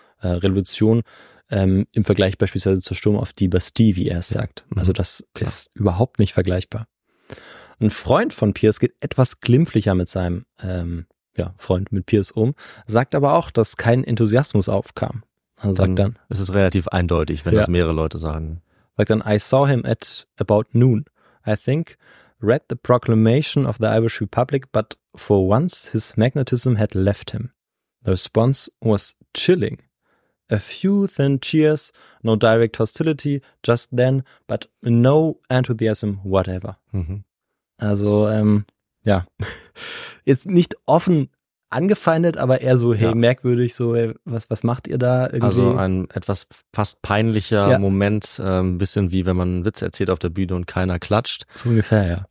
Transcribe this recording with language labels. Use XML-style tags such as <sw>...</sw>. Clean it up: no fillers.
<de>Revolution im Vergleich beispielsweise zur Sturm auf die Bastille, wie er es sagt. Also das ist überhaupt nicht vergleichbar. Ein Freund von Piers geht etwas glimpflicher mit seinem Freund, mit Piers um, sagt aber auch, dass kein Enthusiasmus aufkam. Also sagt dann, es ist relativ eindeutig, wenn das mehrere Leute sagen.</de> <en>Like then, I saw him at about noon, I think, read the proclamation of the Irish Republic, but for once his magnetism had left him. The response was chilling. A few thin cheers, no direct hostility just then, but no enthusiasm whatever.</en> <de>Also, jetzt nicht offen angefeindet, aber eher so, hey, merkwürdig, so, hey, was macht ihr da irgendwie? Also ein etwas fast peinlicher Moment, ein bisschen wie wenn man einen Witz erzählt auf der Bühne und keiner klatscht. So ungefähr, ja.</de>